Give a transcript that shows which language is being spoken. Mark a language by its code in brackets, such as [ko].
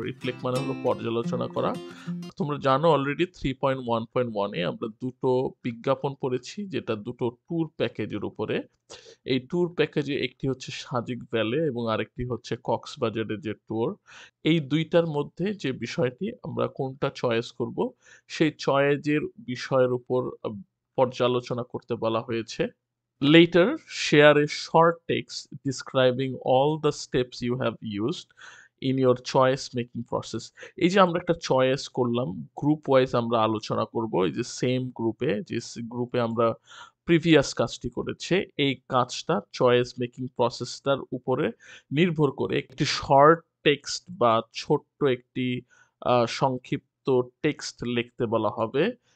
[bn] Reflect মানে হলো পর্যালোচনা করা। তোমরা জানো অলরেডি 3.1.1 এ আমরা দুটো বিজ্ঞাপন পড়েছি, যেটা দুটো ট্যুর প্যাকেজের উপরে। এই ট্যুর প্যাকেজে একটি হচ্ছে সাজিক ভ্যালে এবং আরেকটি হচ্ছে কক্সবাজারের যে ট্যুর। এই দুইটার মধ্যে যে বিষয়টি আমরা কোনটা চয়েস করব সেই চয়েজের বিষয়ের উপর পর্যালোচনা করতে বলা হয়েছে। [en] Later, share a short text describing all the steps you have used in your choice-making process. [bn] এই যে আমরা একটা চয়েস করলাম, গ্রুপ-ওয়াইজ আমরা আলোচনা করবো, এই যে সেম গ্রুপে, যে গ্রুপে আমরা প্রিভিয়াস কাজটি করেছে, এই কাজটা চয়েস-মেকিং প্রসেসটার উপরে নির্ভর করে একটি শর্ট টেক্সট বা ছোট্ট একটি সংক্ষিপ্ত টেক্সট লিখতে বলা হবে।